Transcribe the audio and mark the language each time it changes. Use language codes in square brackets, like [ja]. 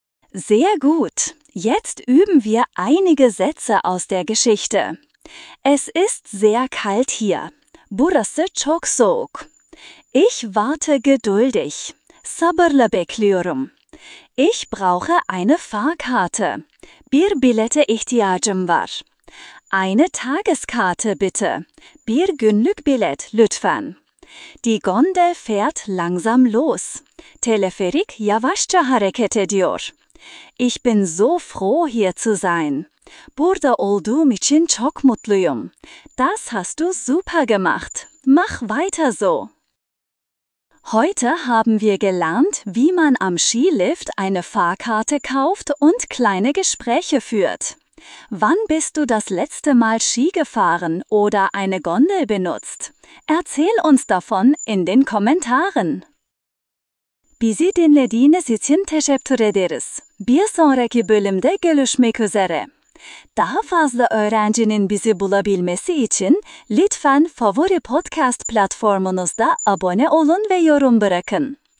[de] Sehr gut. Jetzt üben wir einige Sätze aus der Geschichte. Es ist sehr kalt hier. [tr] Burası çok soğuk. [de] Ich warte geduldig. [tr] Sabırla bekliyorum. [de] Ich brauche eine Fahrkarte. [tr] Bir bilete ihtiyacım var. [de] Eine Tageskarte bitte. [tr] Bir günlük bilet lütfen. [de] Die Gondel fährt langsam los. [tr] Teleferik yavaşça hareket ediyor. [de] Ich bin so froh, hier zu sein. [tr] Burada olduğum için çok mutluyum. [de] Das hast du super gemacht. Mach weiter so. Heute haben wir gelernt, wie man am Skilift eine Fahrkarte kauft und kleine Gespräche führt. Wann bist du das letzte Mal Ski gefahren oder eine Gondel benutzt? Erzähl uns davon in den Kommentaren. [tr] Bizi dinlediğiniz için teşekkür ederiz. Bir sonraki bölümde görüşmek üzere. Daha fazla öğrencinin bizi bulabilmesi için lütfen favori podcast platformunuzda abone olun ve yorum bırakın.